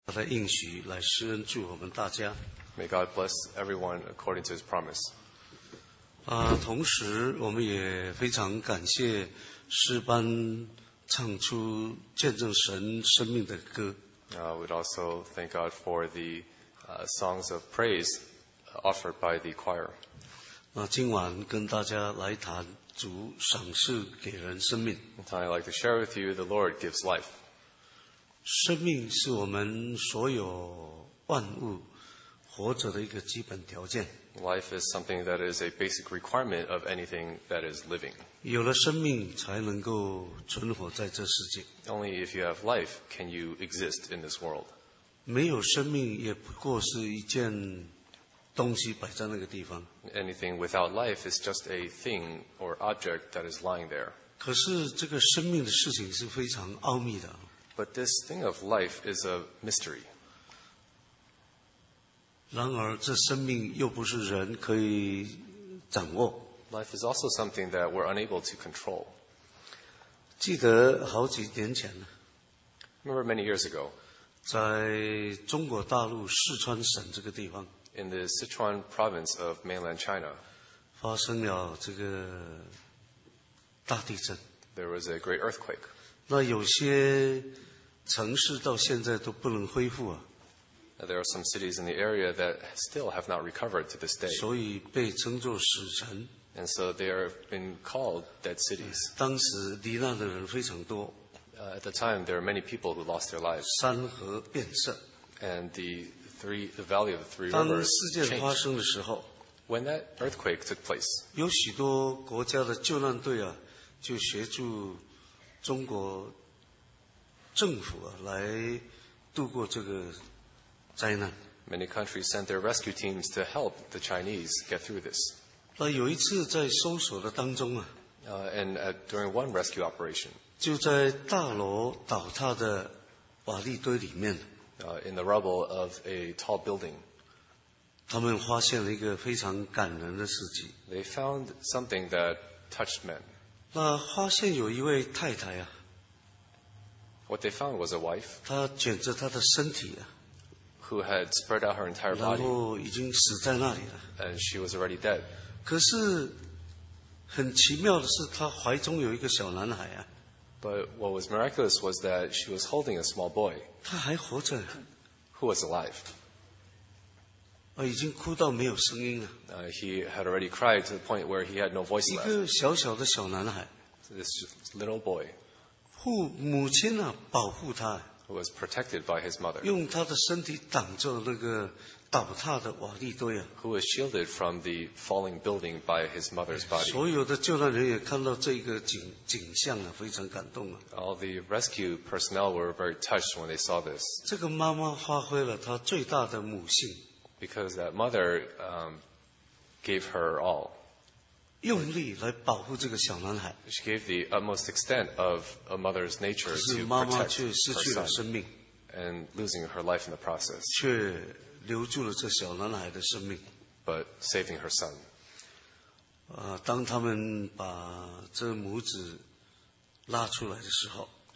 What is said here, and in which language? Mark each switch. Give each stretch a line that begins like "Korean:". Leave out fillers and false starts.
Chinese: 他的应许来施恩祝我们大家。
English: May God bless everyone according to His promise.
Chinese: 啊，同时我们也非常感谢诗班唱出见证神生命的歌。
English: We'd also thank God for the songs of praise offered by the choir.
Chinese: 那今晚跟大家来谈主赏赐给人生命。
English: I'd like to share with you the Lord gives life.
Chinese: 生命是我们所有万物活着的一个基本条件。
English: Life is something that is a basic requirement of anything that is living.
Chinese: 有了生命才能够存活在这世界。
English: Only if you have life can you exist in this world.
Chinese: 没有生命也不过是一件东西摆在那个地方。
English: Anything without life is just a thing or object that is lying there.
Chinese: 可是这个生命的事情是非常奥秘的。
English: But this thing of life is a mystery.
Chinese: 然而这生命又不是人可以掌握。
English: Life is also something that we're unable to control.
Chinese: 记得好几年前呢。
English: Remember many years ago.
Chinese: 在中国大陆四川省这个地方。
English: In the Sichuan province of mainland China.
Chinese: 发生了这个大地震。
English: There was a great earthquake.
Chinese: 那有些城市到现在都不能恢复啊。
English: There are some cities in the area that still have not recovered to this day.
Chinese: 所以被称作死城。
English: And so they have been called dead cities.
Chinese: 当时罹难的人非常多。
English: At the time, there are many people who lost their lives.
Chinese: 山河变色。
English: And the valley of the three rivers changed.
Chinese: 当事件发生的时候。
English: When that earthquake took place.
Chinese: 有许多国家的救难队啊，就协助中国政府啊，来度过这个灾难。
English: Many countries sent their rescue teams to help the Chinese get through this.
Chinese: 那有一次在搜索的当中啊，
English: during one rescue operation,
Chinese: 就在大楼倒塌的瓦砾堆里面，
English: in the rubble of a tall building,
Chinese: 他们发现了一个非常感人的事迹。
English: They found something that touched men.
Chinese: 那发现有一位太太啊。
English: What they found was a wife.
Chinese: 她卷着她的身体啊。
English: Who had spread out her entire body.
Chinese: 然后已经死在那里了。
English: And she was already dead.
Chinese: 可是很奇妙的是她怀中有一个小男孩啊。
English: But what was miraculous was that she was holding a small boy.
Chinese: 她还活着。
English: Who was alive.
Chinese: 啊，已经哭到没有声音了。
English: He had already cried to the point where he had no voice left.
Chinese: 一个小小的小男孩。
English: This little boy.
Chinese: 母亲啊，保护他。
English: Was protected by his mother.
Chinese: 用他的身体挡着那个倒塌的瓦砾堆啊。
English: Who was shielded from the falling building by his mother's body.
Chinese: 所有的救难人也看到这个景象啊，非常感动啊。
English: All the rescue personnel were very touched when they saw this.
Chinese: 这个妈妈发挥了她最大的母性。
English: Because that mother gave her all.
Chinese: 用力来保护这个小男孩。
English: She gave the utmost extent of a mother's nature to protect her son.
Chinese: 可是妈妈却失去了生命。
English: And losing her life in the process.
Chinese: 却留住了这小男孩的生命。
English: But saving her son.
Chinese: 当他们把这母子拉出来的时候。